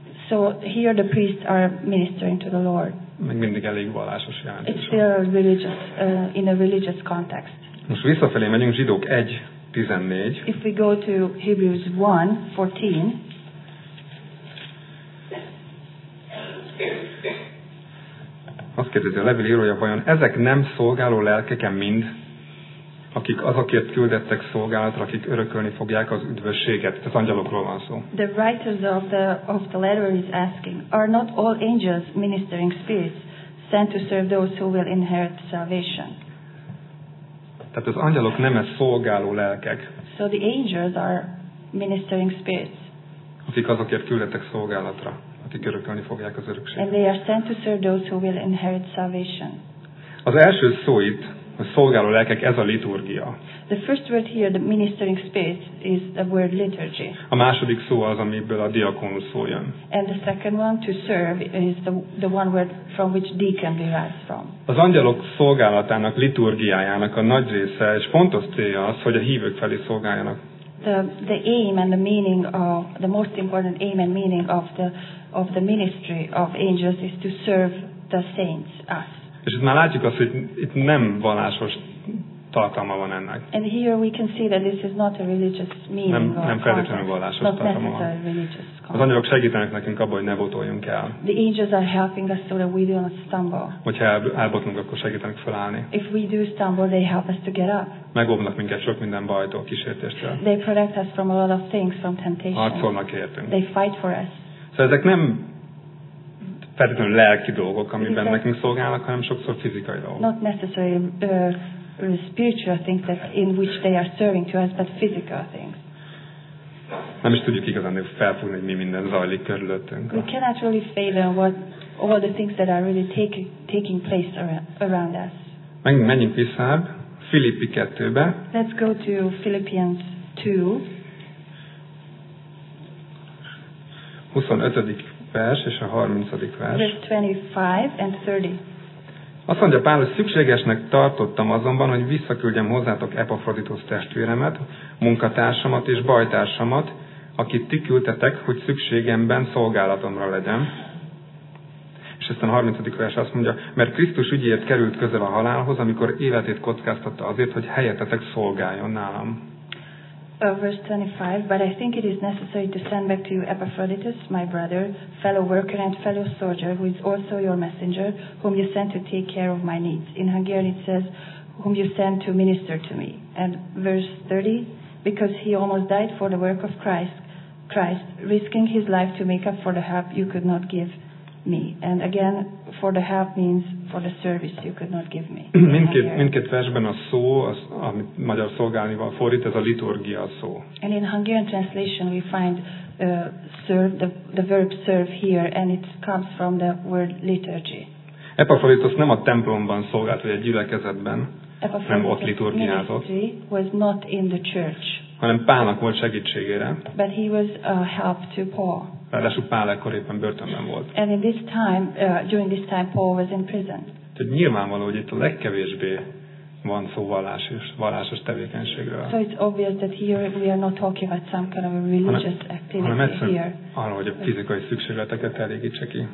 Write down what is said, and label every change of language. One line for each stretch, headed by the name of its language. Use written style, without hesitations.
English: So here the priests are ministering to the Lord.
Hungarian: Még mindig elég vallásos jelentés.
English: It's still religious, in a religious context.
Hungarian: Most visszafelé megyünk Zsidók 1:14.
English: If we go to Hebrews 1:14.
Hungarian: Azt kérdezi a levél írója, vajon ezek nem szolgáló lelkeken mind, akik azokért küldettek szolgálatra, akik örökölni fogják az üdvösséget. Tehát angyalokról van szó.
English: The writers of the letter is asking, are not all angels ministering spirits sent to serve those who will inherit salvation?
Hungarian: Tehát az angyalok nem ez szolgáló lelkek.
English: So the angels are ministering spirits.
Hungarian: Akik azokért küldettek szolgálatra, akik örökölni fogják az örökséget.
English: And they are sent to serve those who will inherit salvation.
Hungarian: Az első szó itt, a szolgáló lelkek, ez a liturgia.
English: The first word here, the ministering spirits, is the word liturgy.
Hungarian: A második szó az, amiből a diakonus szó jön.
English: And the second one, to serve, is the one word from which deacon derives from.
Hungarian: Az angyalok szolgálatának, liturgiájának a nagy része és fontos célja az, hogy a hívők felé szolgáljanak.
English: The aim and the meaning of the most important aim and meaning of the ministry of angels is to serve the saints, us.
Hungarian: És itt már látjuk azt, hogy itt nem vallásos tartalma van ennek.
English: And here we can see that this is not a religious meaning.
Hungarian: Nem feltétlenül vallásos tartalma van. Az angyalok segítenek nekünk abban, hogy ne botoljunk el.
English: The angels are helping us so that we don't stumble.
Hungarian: Hogyha elbotlunk, akkor segítenek felállni.
English: If we do stumble, they help us to get up.
Hungarian: Megóvnak minket sok minden bajtól, kísértéstől.
English: They protect us from a lot of things, from temptation.
Hungarian: Harcolnak értünk.
English: They fight for us.
Hungarian: Szóval ezek nem feltétlenül lelki dolgok, amiben nekünk szolgálnak, hanem sokszor fizikai dolgok.
English: Not necessarily spiritual things that in which they are serving to us, but physical things.
Hungarian: Nem is tudjuk igazán felfogni, hogy mi minden zajlik körülöttünk.
English: We cannot really fathom what all the things that are really taking place around us.
Hungarian: Menjünk vissza Filippi 2-be.
English: Let's go to Philippians 2.
Hungarian: 25. vers és a 30. vers.
English: Verse 25 and 30.
Hungarian: Azt mondja Pál, hogy szükségesnek tartottam azonban, hogy visszaküldjem hozzátok Epafroditosz testvéremet, munkatársamat és bajtársamat, akit ti küldtetek, hogy szükségemben szolgálatomra legyen. És aztán a 30. vers azt mondja, mert Krisztus ügyért került közel a halálhoz, amikor életét kockáztatta azért, hogy helyettetek szolgáljon nálam.
English: Verse 25, but I think it is necessary to send back to you Epaphroditus, my brother, fellow worker and fellow soldier, who is also your messenger, whom you sent to take care of my needs. In Hungarian it says, whom you sent to minister to me. And verse 30, because he almost died for the work of Christ, risking his life to make up for the help you could not give me. And again, for the help means for the service you could not give me.
Hungarian: Mindkét versben a szó, az, amit magyar szolgálnival fordít, ez a liturgia szó.
English: And in Hungarian translation we find serve, the verb serve here, and it comes from the word liturgy.
Hungarian: Epaphroditus nem a templomban szolgált, vagy a gyülekezetben, nem ott liturgiázott.
English: Epaphroditus was not in the church.
Hungarian: Hanem Pálnak volt segítségére.
English: But he was a help to Paul.
Hungarian: Ráadásul Pál ekkor éppen börtönben volt.
English: And in this time, during this time, Paul was in prison.
Hungarian: Tehát nyilvánvaló, hogy itt a legkevésbé van szó vallásos tevékenységről.
English: So it's obvious that here we are not talking about some kind of a religious activity here.
Hungarian: Arra, hogy a fizikai szükségleteket elégítse ki.